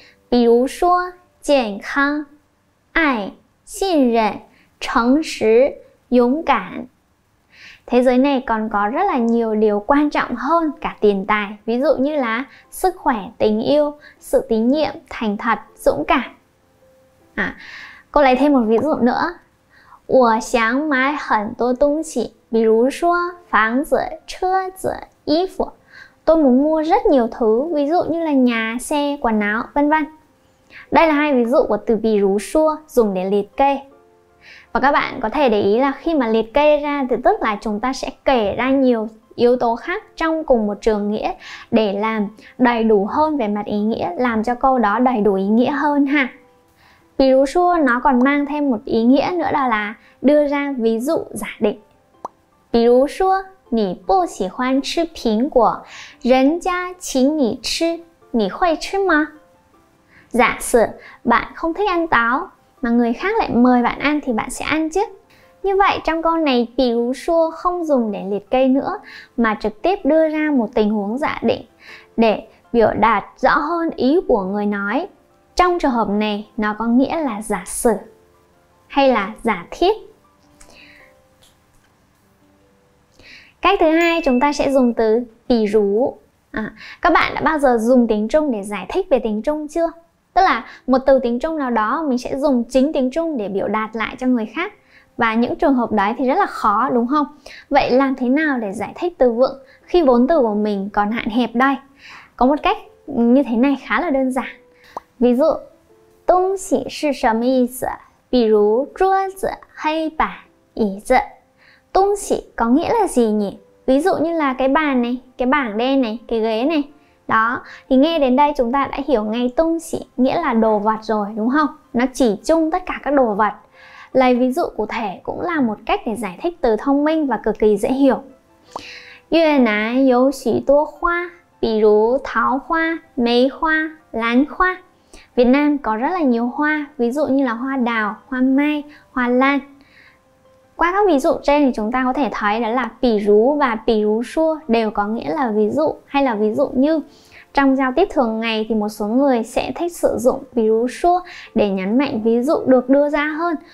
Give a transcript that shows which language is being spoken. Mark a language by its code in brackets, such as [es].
[vi] Bì rú xưa, chèn khăn, ai, xin rệnh, chẳng sử, dũng cảm. Thế giới này còn có rất là nhiều điều quan trọng hơn cả tiền tài. Ví dụ như là sức khỏe, tình yêu, sự tín nhiệm, thành thật, dũng cảm. À, cô lấy thêm một ví dụ nữa. [zh] 我想买很多东西, 比如说房子、车子、衣服. [vi] Tôi muốn mua rất nhiều thứ, ví dụ như là nhà, xe, quần áo, vân vân. Đây là hai ví dụ của từ 比如说 dùng để liệt kê. Và các bạn có thể để ý là khi mà liệt kê ra thì tức là chúng ta sẽ kể ra nhiều yếu tố khác trong cùng một trường nghĩa để làm đầy đủ hơn về mặt ý nghĩa, làm cho câu đó đầy đủ ý nghĩa hơn ha. Ví dụ xưa nó còn mang thêm một ý nghĩa nữa là đưa ra ví dụ giả định. Ví dụ xưa, [zh] 你不喜欢吃苹果, 人家请你吃, 你会吃吗? [vi] Giả sử bạn không thích ăn táo mà người khác lại mời bạn ăn thì bạn sẽ ăn chứ. Như vậy trong câu này, 比如说 không dùng để liệt kê nữa mà trực tiếp đưa ra một tình huống giả định để biểu đạt rõ hơn ý của người nói. Trong trường hợp này, nó có nghĩa là giả sử hay là giả thiết. Cách thứ hai, chúng ta sẽ dùng từ 比如. Các bạn đã bao giờ dùng tiếng Trung để giải thích về tiếng Trung chưa? Tức là một từ tiếng Trung nào đó mình sẽ dùng chính tiếng Trung để biểu đạt lại cho người khác. Và những trường hợp đấy thì rất là khó đúng không? Vậy làm thế nào để giải thích từ vựng khi vốn từ của mình còn hạn hẹp đây? Có một cách như thế này khá là đơn giản. Ví dụ, [zh] 东西是什么意思? 比如桌子、黑板、椅子. [vi] 东西 có nghĩa là gì nhỉ? Ví dụ như là cái bàn này, cái bảng đen này, cái ghế này. Đó, thì nghe đến đây chúng ta đã hiểu ngay 东西 nghĩa là đồ vật rồi, đúng không? Nó chỉ chung tất cả các đồ vật. Lấy ví dụ cụ thể cũng là một cách để giải thích từ thông minh và cực kỳ dễ hiểu. [zh] 越南有许多花, 比如桃花、梅花、兰花. [vi] Việt Nam có rất là nhiều hoa, ví dụ như là hoa đào, hoa mai, hoa lan. Qua các ví dụ trên thì chúng ta có thể thấy đó là 比如 và 比如说 đều có nghĩa là ví dụ hay là ví dụ như. Trong giao tiếp thường ngày thì một số người sẽ thích sử dụng 比如说 để nhấn mạnh ví dụ được đưa ra hơn.